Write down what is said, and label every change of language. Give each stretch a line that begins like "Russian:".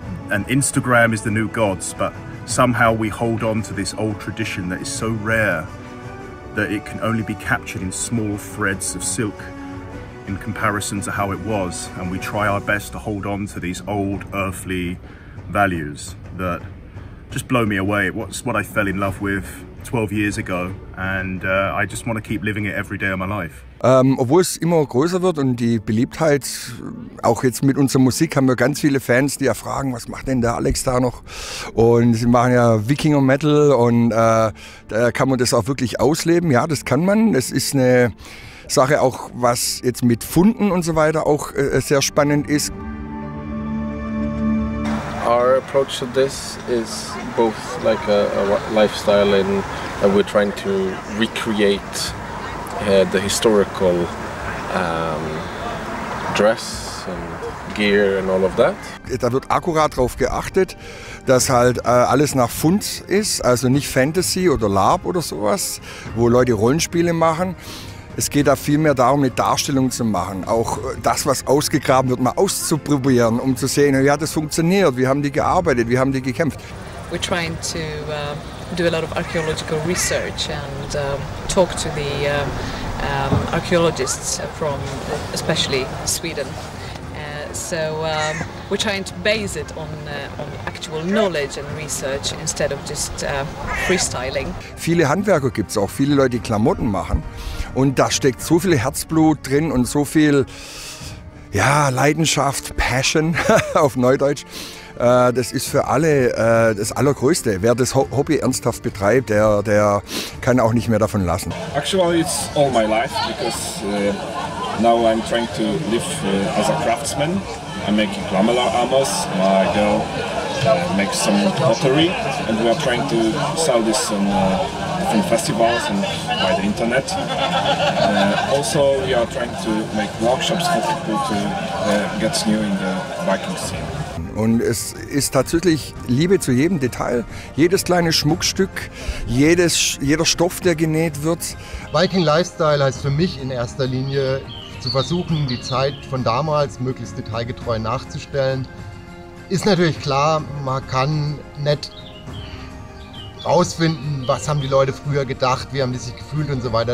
English: and Instagram is the new gods, but somehow we hold on to this old tradition that is so rare that it can only be captured in small threads of silk in comparison to how it was. And we try our best to hold on to these old earthly values that just blow me away. What's what I fell in love with 12 years ago, and I just want to keep living it every day of my life.
German: Obwohl es immer größer wird und die Beliebtheit, auch jetzt mit unserer Musik, haben wir ganz viele Fans, die ja fragen, was macht denn der Alex da noch? Und sie machen ja Wikinger-Metal und da kann man das auch wirklich ausleben. Ja, das kann man. Es ist eine Sache auch, was jetzt mit Funden und so weiter auch sehr spannend ist.
English: Our approach to this is both like a lifestyle and we're trying to recreate the historical dress and gear and all of that.
German: Da wird akkurat darauf geachtet, dass halt alles nach Fund ist, also nicht Fantasy oder LARP oder sowas, wo Leute Rollenspiele machen. Es geht da vielmehr darum, eine Darstellung zu machen. Auch das, was ausgegraben wird, mal auszuprobieren, um zu sehen, wie hat das funktioniert, wie haben die gearbeitet, wie haben die gekämpft.
English: We're trying to do a lot of archaeological research and talk to the archaeologists from especially Sweden. So we're trying to base it on actual knowledge and research instead of just freestyling.
German: Viele Handwerker gibt es auch, viele Leute, die Klamotten machen. Und da steckt so viel Herzblut drin und so viel, ja, Leidenschaft, Passion auf Neudeutsch. Das ist für alle das Allergrößte. Wer das Hobby ernsthaft betreibt, der kann auch nicht mehr davon lassen.
English: Actually, it's all my life, because now I'm trying to live as a craftsman. I'm making glamour armors. My girl makes some pottery, and we are trying to sell this on different festivals and by the internet. Also, we are trying to make workshops for people to get new in the Viking scene.
German: Und es ist tatsächlich Liebe zu jedem Detail, jedes kleine Schmuckstück, jeder Stoff, der genäht wird. Viking Lifestyle heißt für mich in erster Linie zu versuchen, die Zeit von damals möglichst detailgetreu nachzustellen. Ist natürlich klar, man kann nicht rausfinden, was haben die Leute früher gedacht, wie haben die sich gefühlt und so weiter.